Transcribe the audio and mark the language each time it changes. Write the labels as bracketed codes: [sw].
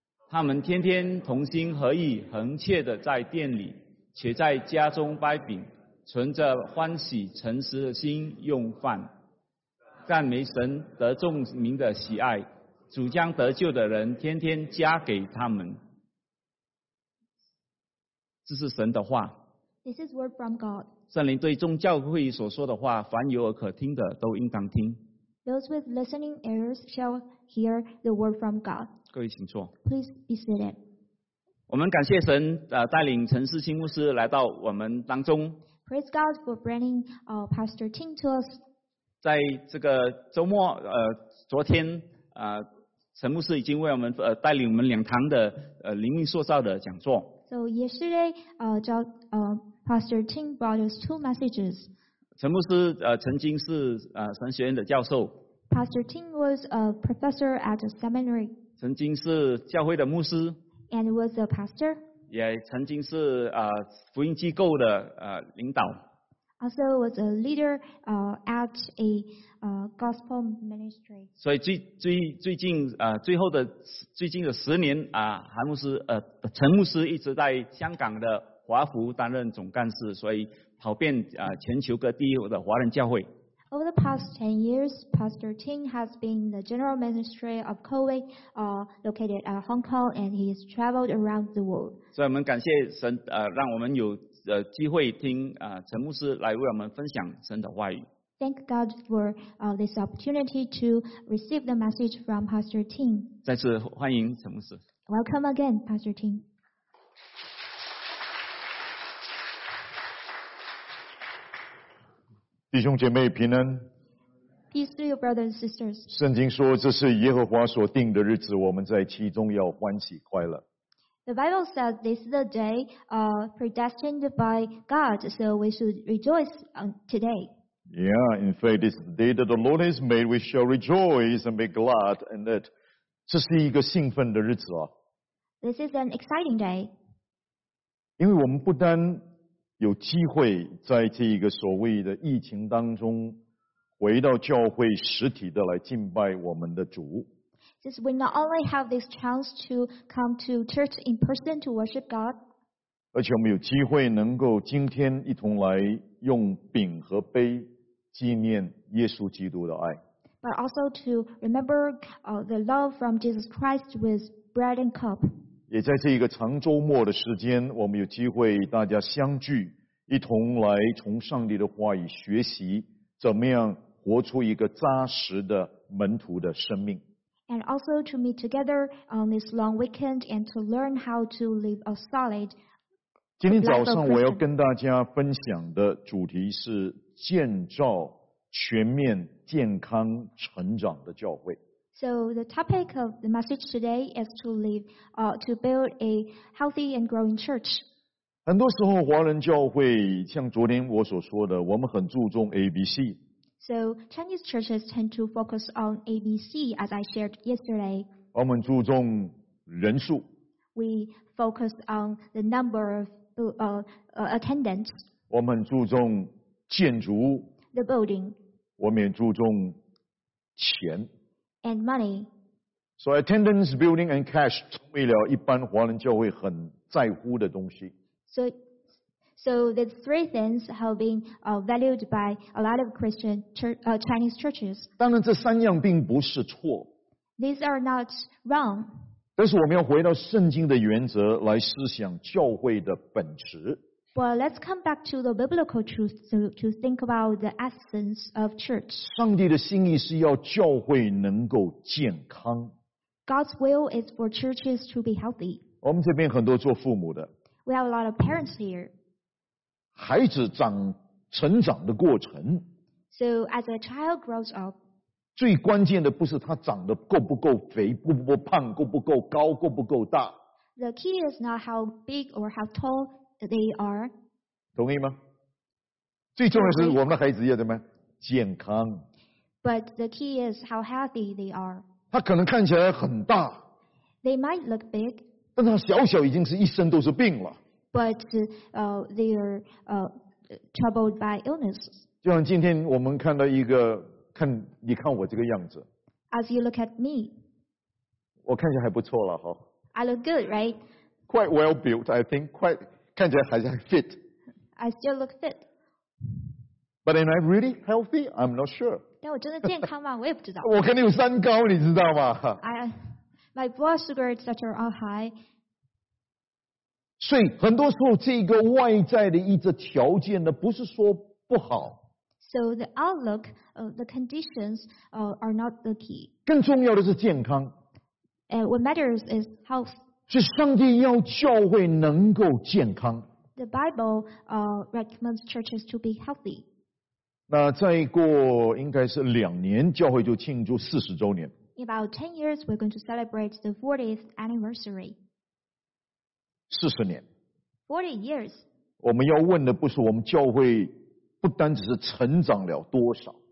[zh] 他们天天同心合意，恒切的在店里，且在家中掰饼，存着欢喜诚实的心用饭，赞美神得众民的喜爱，主将得救的人天天加给他们。这是神的话。 [en] This is word from God. [zh] 圣灵对众教会所说的话，凡有耳可听的都应当听。 [en] Those with listening ears shall hear the word from God. [zh] 各位请坐。 [en] Please be seated. [zh] 我们感谢神带领陈世清牧师来到我们当中。 [en] Praise God for bringing Pastor Ting to us. [zh] 在这个周末昨天陈牧师已经为我们带领我们两堂的灵命塑造的讲座。 [en] So yesterday, Pastor Ting brought us two messages. [zh] 陈牧师曾经是神学院的教授。 [en] Pastor Ting was a professor at a seminary. [zh] 曾经是教会的牧师。 [en] And was a pastor. [zh] 也曾经是福音机构的领导。 [en] Also was a leader at a gospel ministry. [zh] 所以最近的十年韩牧师陈牧师一直在香港的华福担任总干事，所以跑遍全球各地的华人教会。 [en] Over the past 10 years, Pastor Ting has been the general ministry of COWAY, located at Hong Kong, and he has traveled around the world. [zh] 所以我们感谢神让我们有机会听陈牧师来为我们分享神的话语。 [en] Thank God for this opportunity to receive the message from Pastor Ting. [zh] 再次欢迎陈牧师。 [en] Welcome again, Pastor Ting. [zh] 弟兄姐妹平安。 [en] Peace to you, brothers and sisters. [zh] 圣经说这是耶和华所定的日子，我们在其中要欢喜快乐。 [en] The Bible says this is the day predestined by God, so we should rejoice today. Yeah, in fact, it's the day that the Lord has made, we shall rejoice and be glad in it. [zh] 这是一个兴奋的日子啊。 [en] This is an exciting day. [zh] 因为我们不单有机会在这一个所谓的疫情当中回到教会实体的来敬拜我们的主。 [en] Since we not only have this chance to come to church in person to worship God, [zh] 而且我们有机会能够今天一同来用饼和杯纪念耶稣基督的爱。 [en] But also to remember the love from Jesus Christ with bread and cup. [zh] 也在这一个长周末的时间，我们有机会大家相聚，一同来从上帝的话语学习，怎么样活出一个扎实的门徒的生命。 [en] And also to meet together on this long weekend and to learn how to live a solid life. [zh] 今天早上我要跟大家分享的主题是建造全面健康成长的教会。 [en] So the topic of the message today is to build a healthy and growing church. [zh] 很多时候华人教会像昨天我所说的，我们很注重 ABC。 [en] So Chinese churches tend to focus on ABC, as I shared yesterday. [zh] 我们注重人数。 [en] We focus on the number of attendants. [zh] 我们注重建筑。 [en] The building. [zh] 我们也注重钱。 [en] And money. So attendance, building, and cash [zh] 成为了一般华人教会很在乎的东西。 [en] So these three things have been valued by a lot of Christian Chinese churches. [zh] 当然这三样并不是错。 [en] These are not wrong. [zh] 但是我们要回到圣经的原则来思想教会的本质。 [en] But let's come back to the biblical truth to think about the essence of church. [zh] 上帝的心意是要教会能够健康。 [en] God's will is for churches to be healthy. [zh] 我们这边很多做父母的。 [en] We have a lot of parents here. [zh] 孩子成长的过程。 [en] So as a child grows up, [zh] 最关键的不是他长得够不够肥、够不胖、够不够高、够不够大。 [en] The key is not how big or how tall. They are. [zh] 同意吗？最重要的是我们的孩子要怎么健康。 [en] But the key is how healthy they are. [zh] 他可能看起来很大。 [en] They might look big. [zh] 但他小小已经是一身都是病了。 [en] But they are troubled by illness. [zh] 就像今天我们看到一个，你看我这个样子。 [en] As you look at me. [zh] 我看起来还不错了哈。 [en] I look good, right? Quite well built, I think. Quite. [zh] 看起来还是 [en] fit. I still look fit. But am I really healthy? I'm not sure. [zh] 但我真的健康吗？我也不知道。我肯定有三高，你知道吗？ [en] My blood sugar is such a high. [zh] 所以很多时候，这个外在的一个条件呢，不是说不好。 [en] So the outlook, the conditions, are not the key. [zh] 更重要的是健康。 [en] And what matters is health. [zh] 是上帝要教会能够健康。 [en] The Bible recommends churches to be healthy. [zh] 那再过应该是两年，教会就庆祝四十周年。 [en] In about 10 years, we're going to celebrate the 40th anniversary. [zh] 四十年。 [en] 40 years. [zh] 我们要问的不是我们教会不单只是成长了多少。